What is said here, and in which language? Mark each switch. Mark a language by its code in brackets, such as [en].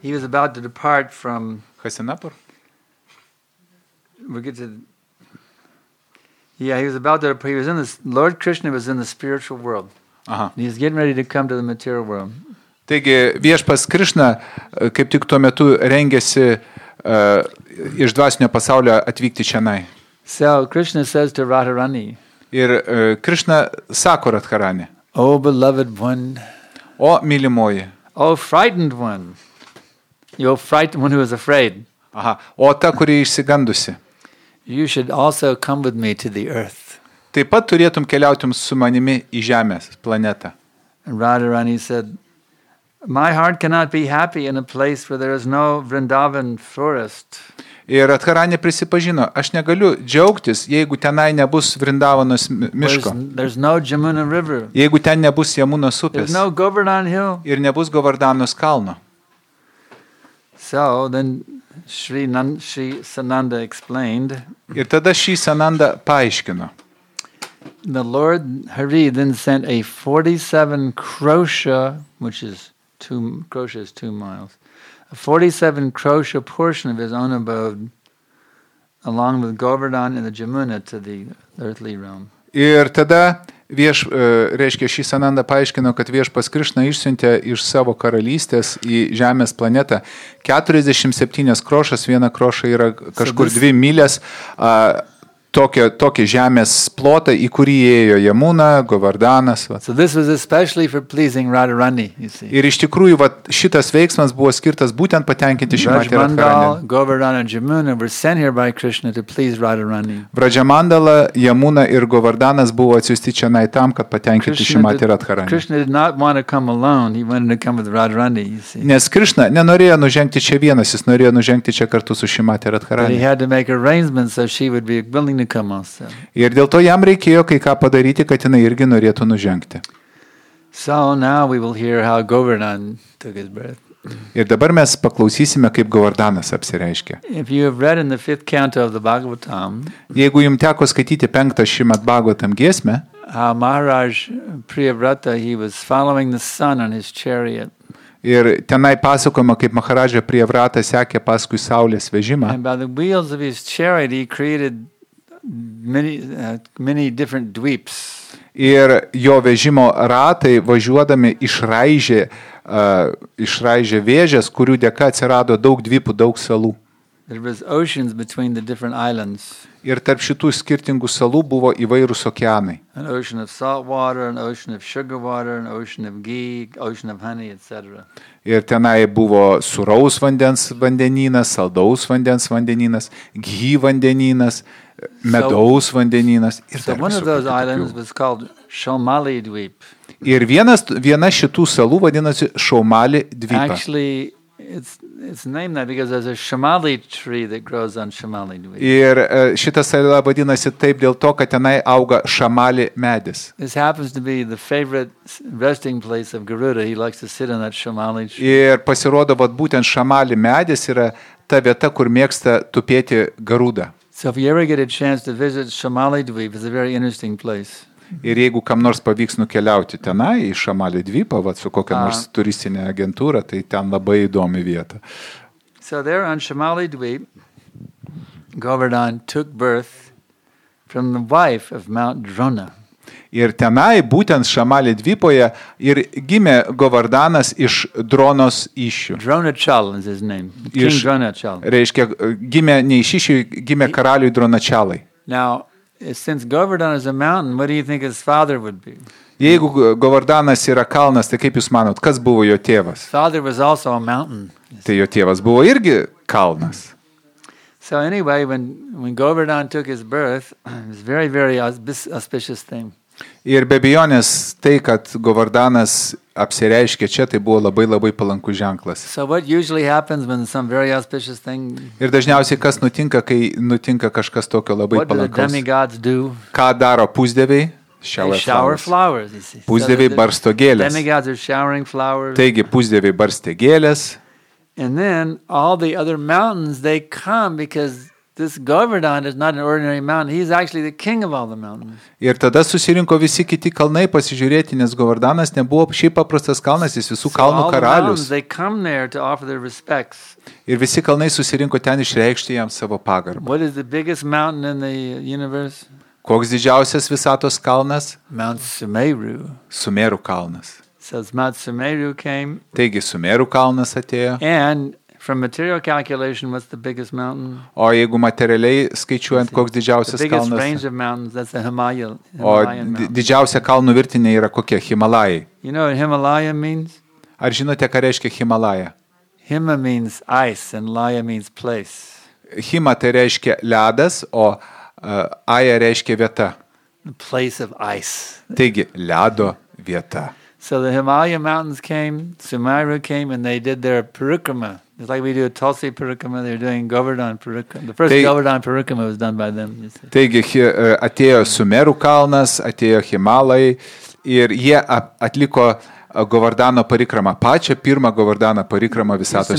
[en] He was about to depart from Hastinapur. We get to. Yeah, he was about to. He was in this. Lord Krishna was in the spiritual world. Aha. He was getting ready to come to the material world. [lt] Taigi viešpas Krishna kaip tik tuo metu rengėsi iš dvasinio pasaulio atvykti čianai. [en] So Krishna says to Radharani. [lt] Ir Krishna sako Radharani. [en] Oh beloved one. [lt] O mylimoji. [en] Oh, frightened one. You're frightened one who is afraid. [lt] Aha. O ta, kuri išsigandusi. [en] You should also come with me to the earth. [lt] Taip pat turėtum keliauti su manimi į žemės planetą. [en] And Radharani said, my heart cannot be happy in a place where there is no Vrindavan forest. [lt] Ir Radharani prisipažino, aš negaliu džiaugtis, jeigu tenai nebus Vrindavanos miško. [en] There's no Jamuna River. [lt] Jeigu ten nebus Jamunos upės. [en] There's no Govardhan Hill. [lt] Ir nebus Govardhanos kalno. [en] So then Sri Sananda explained. [lt] Ir tada Sri Sananda paaiškino. [en] the Lord Hari then sent a 47 krosha, which is two miles, a 47 krosha portion of his own abode, along with Govardhan and the Jamuna, to the earthly realm. [lt] Ir tada vieš, reiškia, šis Ananda paaiškino, kad viešpas Krišna išsiuntė iš savo karalystės į žemės planetą 47 krošas, viena kroša yra kažkur 2 mylės, tokį žemės plotą, į kurį įėjo Jamuna, Govardhanas. [en] So this was especially for pleasing Radharani, you see. [lt] Ir iš tikrųjų vat, šitas veiksmas buvo skirtas būtent patenkinti Shrimati Radharani. [en] Govardhana and Jamuna were sent here by Krishna to please Radharani. [lt] Vrajamandala, Jamuna ir Govardhanas buvo atsiųsti čionai tam, kad patenkinti Shrimati Radharani. [en] Krishna did not want to come alone, he wanted to come with Radharani, you see. [lt] Nes Krishna nenorėjo nužengti čia vienas, jis norėjo nužengti čia kartu su Shrimati Radharani. [en] He had to make arrangements so she would be willing to come also. [lt] Ir dėl to jam reikėjo kai ką padaryti, kad jinai irgi norėtų nužengti. [en] So now we will hear how Govardhan took his breath. [lt] Ir dabar mes paklausysime, kaip Govardhanas apsireiškė. [en] If you have read in the fifth canto of the Bhagavatam, [lt] jeigu jums teko skaityti penktą Shrimad Bhagavatam giesmę, [en] how Maharaj Priyavrata, he was following the sun on his chariot. [lt] Ir tenai pasakoma, kaip Maharaja Priyavrata sekė paskui saulės vežimą. [en] And by the wheels of his chariot, he created many different dweeps. [lt] Ir jo vežimo ratai važiuodami išraižė vėžes, kurių dėka atsirado daug dvipų, daug salų. [en] There was oceans between the different islands. [lt] Ir tarp šitų skirtingų salų buvo įvairūs okeanai. [en] An ocean of salt water, an ocean of sugar water, an ocean of ghee, ocean of honey, etc. [lt] Ir tenai buvo sūraus vandens vandenynas, saldaus vandens vandenynas, ghee vandenynas, medaus vandenynas ir [en] so one of those islands was called Shomali Dweep. [lt] Ir viena šitų salų vadinasi Shomali Dvipa. [en] Actually, it's named that because there's a Shomali tree that grows on Shomali Dweep. [lt] Ir šita sala vadinasi taip dėl to, kad tenai auga Shomali medis. [en] This happens to be the favorite resting place of Garuda. He likes to sit on that Shomali tree. [lt] Ir pasirodo, vat būtent Shomali medis yra ta vieta, kur mėgsta tupėti Garuda. [en] So if you ever get a chance to visit Shomali Dweep, it's a very interesting place. [lt] Ir jeigu kam nors pavyks nukeliauti tenai į Shomali Dvipą, vat su kokia nors turistinė agentūra, tai ten labai įdomi vieta. [en] So there on Shomali Dweep, Govardhan took birth from the wife of Mount Drona. [lt] Ir tenai būtent Shomali Dvipoje ir gimė Govardhanas iš Dronos iššių. [en] Dronachal is his name. King Dronachal. [lt] Reiškia, gimė ne iš iššių, gimė karaliui Dronachalai. [en] Now, since Govardhan is a mountain, what do you think his father would be? [lt] Jeigu Govardhanas yra kalnas, tai kaip jūs manot, kas buvo jo tėvas? [en] Father was also a mountain. [lt] Tai jo tėvas buvo irgi kalnas. [en] So anyway, when Govardhan took his birth, it was very, very auspicious thing. [lt] Ir be abejonės, tai, kad Govardhanas apsireiškė čia, tai buvo labai, labai palankus ženklas. [en] So what usually happens when some very auspicious thing... [lt] Ir dažniausiai, kas nutinka, kai nutinka kažkas tokio labai [en] what Do the demigods do? [lt] Ką daro pusdeviai? [en] They shower flowers, you see. [lt] Pusdeviai barsto gėlės. [en] Demigods are showering flowers. [lt] Taigi, pusdeviai barstė gėlės. [en] And then all the other mountains, they come because... This Govardhan is not an ordinary mountain. He is actually the king of all the mountains. [lt] Ir tada susirinko visi kiti kalnai pasižiūrėti, nes Govardhanas nebuvo šiaip paprastas kalnas, jis visų kalnų karalius. [en] They come there to offer their respects. [lt] Ir visi kalnai susirinko ten išreikšti jam savo pagarbą. [en] What is the biggest mountain in the universe? [lt] Koks didžiausias visatos kalnas? [en] Mount Sumeru. [lt] Sumeru kalnas. [en] So Mount Sumeru came. [lt] Taigi Sumeru kalnas atėjo. [en] And from material calculation, what's the biggest mountain? [lt] O jeigu materialiai skaičiuojant, koks didžiausias kalnas? [en] The biggest range of mountains, that's the Himalayan mountain. [lt] O didžiausia kalnų virtinė yra kokia? Himalajai. [en] You know what Himalaya means? [lt] Ar žinote, ką reiškia Himalaya? [en] Hima means ice and laya means place. [lt] Hima tai reiškia ledas, o aja reiškia vieta. [en] The place of ice. [lt] Taigi, ledo vieta. [en] So the Himalaya mountains came, Sumeru came, and they did their parikrama. It's like we do a Tulsi Parikrama, they're doing Govardhan Parikrama. The first Govardhan Parikrama was done by them. [lt] Taigi, atėjo Sumeru kalnas, atėjo Himalai, ir jie atliko Govardano parikramą, pačią pirmą Govardano parikramą visatos